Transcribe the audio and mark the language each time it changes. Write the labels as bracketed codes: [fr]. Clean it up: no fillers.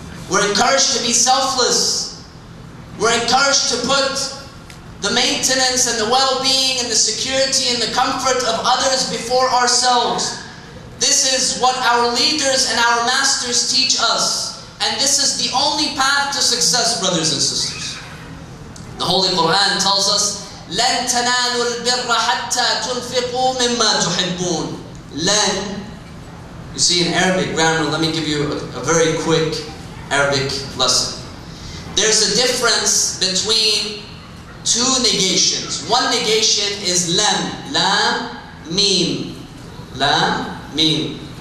[en] We're encouraged to be selfless. We're encouraged to put the maintenance and the well-being and the security and the comfort of others before ourselves. This is what our leaders and our masters teach us. And this is the only path to success, brothers and sisters. The Holy Quran tells us, [ar] لَن تَنَالُوا الْبِرَّ حَتَّى تُنْفِقُوا مِمَّا تُحِبُّونَ. [en] لَن, you see in Arabic grammar, let me give you a very quick Arabic lesson. There's a difference between two negations. One negation is lam, lam, mim, lam, mim.